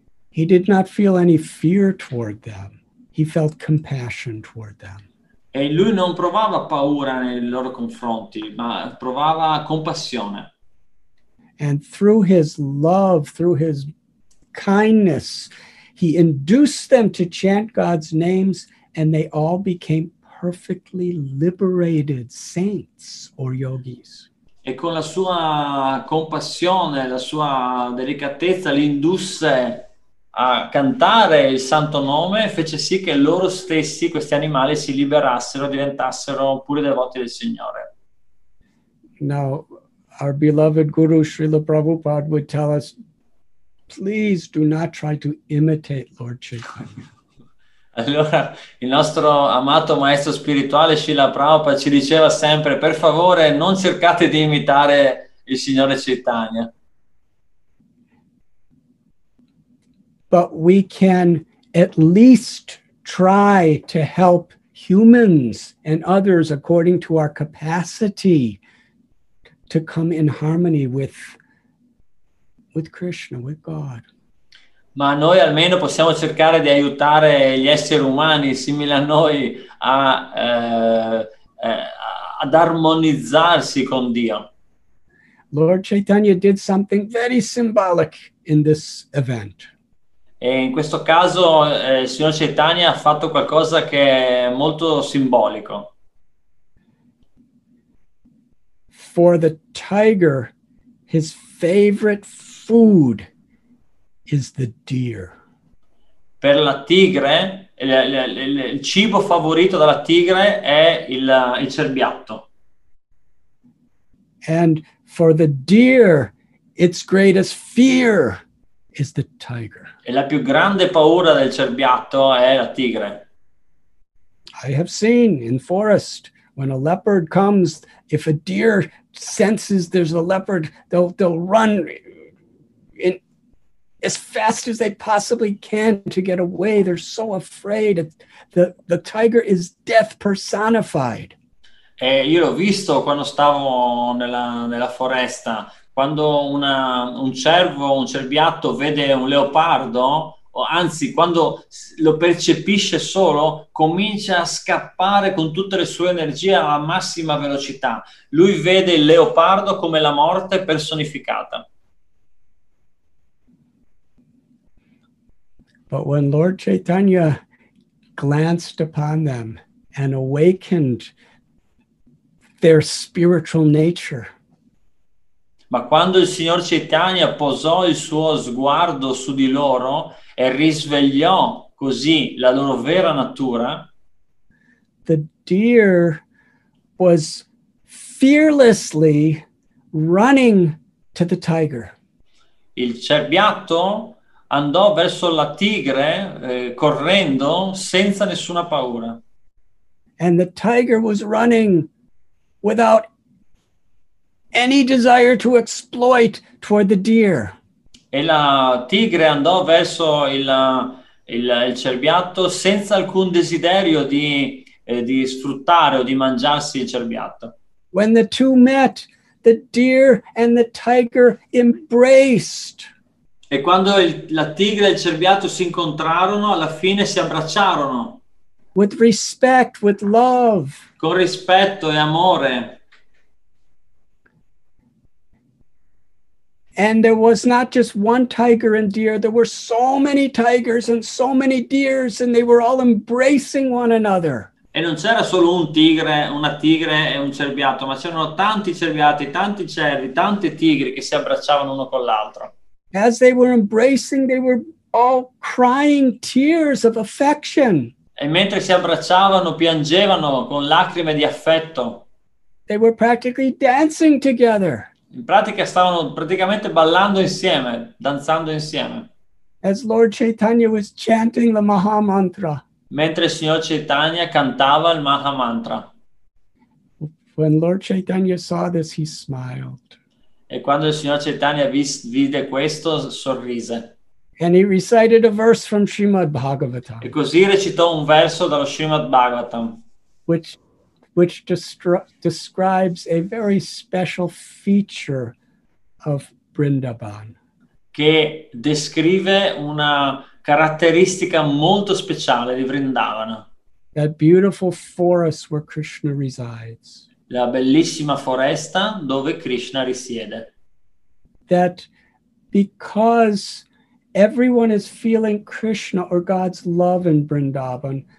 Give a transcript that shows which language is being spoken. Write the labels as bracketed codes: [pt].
[en] He did not feel any fear toward them. He felt compassion toward them. [it] E lui non provava paura nei loro confronti, ma provava compassione. [en] And through his love, through his kindness. He induced them to chant God's names, and they all became perfectly liberated saints or yogis. [it] E con la sua compassione, la sua delicatezza, li indusse a cantare il santo nome e fece sì che loro stessi, questi animali, si liberassero, diventassero pure devoti del Signore. [en] Now, our beloved Guru Srila Prabhupada would tell us, please do not try to imitate Lord Chaitanya. [it] Allora, il nostro amato maestro spirituale Srila Prabhupada ci diceva sempre, per favore, non cercate di imitare il Signore Chaitanya. [en] But we can at least try to help humans and others according to our capacity to come in harmony with Krishna, with God. [it] Ma noi almeno possiamo cercare di aiutare gli esseri umani simili a noi ad armonizzarsi con Dio. [en] Lord Chaitanya did something very symbolic in this event. [it] E in questo caso il signor Chaitanya ha fatto qualcosa che è molto simbolico. [en] For the tiger, his favorite food is the deer. [it] Per la tigre, il cibo favorito della tigre è il cerbiatto. [en] And for the deer, its greatest fear is the tiger. [it] E la più grande paura del cerbiatto è la tigre. [en] I have seen in forest when a leopard comes, if a deer senses there's a leopard, they'll run in as fast as they possibly can to get away. They're so afraid. The tiger is death personified. [it] E io l'ho visto quando stavo nella foresta. Quando un cerbiatto vede un leopardo, o anzi, quando lo percepisce solo, comincia a scappare con tutte le sue energie alla massima velocità. Lui vede il leopardo come la morte personificata. [en] But when Lord Chaitanya glanced upon them and awakened their spiritual nature. [it] Ma quando il signor Chaitanya posò il suo sguardo su di loro e risvegliò così la loro vera natura, [en] the deer was fearlessly running to the tiger. [it] Il cerbiatto andò verso la tigre correndo senza nessuna paura. [en] And the tiger was running without any desire to exploit toward the deer. [it] E la tigre andò verso il cerbiatto senza alcun desiderio di sfruttare o di mangiarsi il cerbiatto. [en] When the two met, the deer and the tiger embraced. [it] E quando la tigre e il cerbiatto si incontrarono, alla fine si abbracciarono. [en] With respect, with love. [it] Con rispetto e amore. [en] And there was not just one tiger and deer, there were so many tigers and so many deers, and they were all embracing one another. [it] E non c'era solo un tigre, una tigre e un cerbiatto, ma c'erano tanti cerbiati, tanti cervi, tanti tigri che si abbracciavano uno con l'altro. [en] As they were embracing, they were all crying tears of affection. [it] E mentre si abbracciavano, piangevano con lacrime di affetto. [en] They were practically dancing together. [it] In pratica stavano praticamente ballando insieme, danzando insieme. [en] As Lord Chaitanya was chanting the Maha Mantra. [it] Mentre il signor Chaitanya cantava il Maha Mantra. [en] When Lord Chaitanya saw this, he smiled. [it] E quando il signor Chaitanya vide questo, sorrise. [en] And he recited a verse from Srimad Bhagavatam. [it] E così recitò un verso dallo Srimad Bhagavatam. [en] Which describes a very special feature of Vrindavan. [it] Che descrive una caratteristica molto speciale di Vrindavana. [en] That beautiful forest where Krishna resides. [it] La bellissima foresta dove Krishna risiede. [en] That because Everyone is feeling Krishna or God's love in Vrindavan.